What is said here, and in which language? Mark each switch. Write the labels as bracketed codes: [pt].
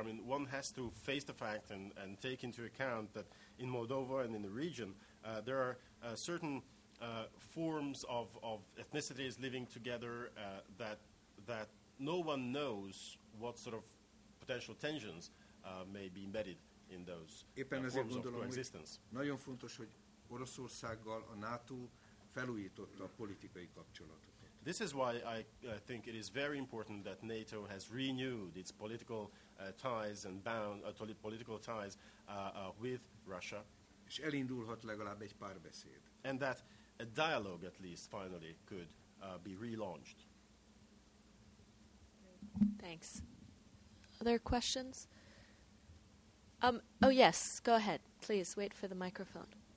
[en] I mean, one has to face the fact and take into account that in Moldova and in the region, there are certain forms of ethnicities living together that no one knows what sort of potential tensions may be embedded in those forms of coexistence. [hu] Nagyon fontos, hogy Oroszországgal a NATO felújította a politikai kapcsolatot. [en] This is why I think it is very important that NATO has renewed its political ties and bound political ties with Russia. [hu] És elindulhat legalább egy párbeszéd. [en] And that a dialogue at least finally could be relaunched. Thanks. Other questions? Oh yes, go ahead. Please wait for the microphone.